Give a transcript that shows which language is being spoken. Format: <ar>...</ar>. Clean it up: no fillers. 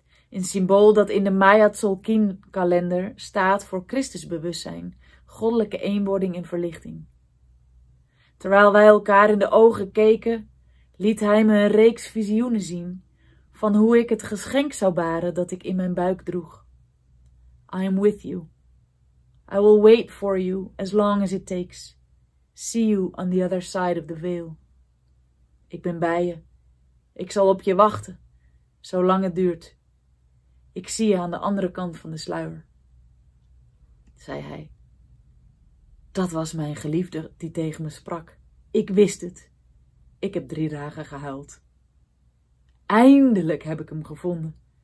<nl>Een symbool dat in de Maya Tzolk'in kalender staat voor Christusbewustzijn, goddelijke eenwording en verlichting. Terwijl wij elkaar in de ogen keken, liet hij me een reeks visioenen zien van hoe ik het geschenk zou baren dat ik in mijn buik droeg.</nl> <en>I am with you. I will wait for you as long as it takes. See you on the other side of the veil.</en> <nl>Ik ben bij je. Ik zal op je wachten, zolang het duurt. Ik zie je aan de andere kant van de sluier, zei hij. Dat was mijn geliefde die tegen me sprak. Ik wist het. Ik heb 3 dagen gehuild. Eindelijk heb ik hem gevonden.</nl>